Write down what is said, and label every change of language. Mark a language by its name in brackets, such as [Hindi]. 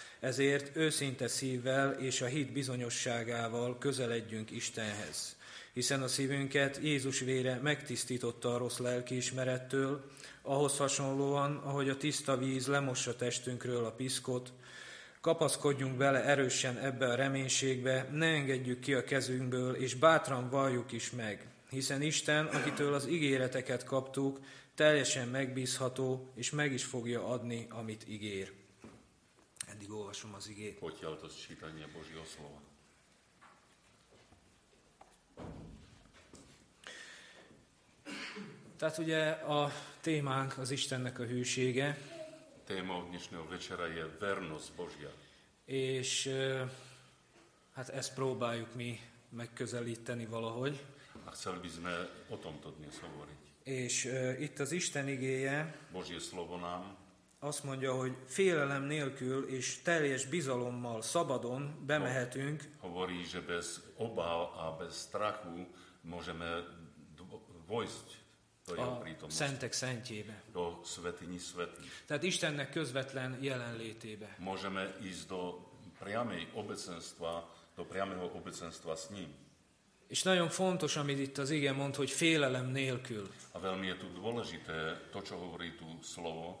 [Hungarian] Ezért őszinte szívvel és a hit bizonyosságával közeledjünk Istenhez, hiszen a szívünket Jézus vére megtisztította a rossz lelkiismerettől, ahhoz hasonlóan, ahogy a tiszta víz lemossa testünkről a piszkot, kapaszkodjunk bele erősen ebbe a reménységbe, ne engedjük ki a kezünkből, és bátran valljuk is meg, hiszen Isten, akitől az ígéreteket kaptuk, teljesen megbízható, és meg is fogja adni, amit ígér. Eddig olvasom az igét. Hogy jelent az sítani a Bozsió szóval? Tehát ugye a témánk az Istennek a hűsége. [Slovak] Téma odnyisnő večera je vernosť Božia. [Hungarian] És hát ezt próbáljuk mi megközelíteni valahogy. [Slovak] A chcel by sme o tomto dnes hovoriť. [Hungarian] És itt az Isten igéje [Slovak] Božie slovo nám [Hungarian] azt mondja, hogy félelem nélkül és teljes bizalommal szabadon bemehetünk. [Slovak] Hovorí, že bez obav a bez strachu môžeme vojsť do jeho prítomnosti. [Hungarian] Szentek szentjébe. [Slovak] Do svätyni svätých. [Hungarian] Tehát Istennek közvetlen jelenlétébe. [Slovak] Môžeme ísť do priamej obecenstva, do priameho obecenstva s ním. [Hungarian] És nagyon fontos, amit itt az ige mond, hogy félelem nélkül. [Slovak] A veľmi je tu dôležité to, čo hovorí tu slovo.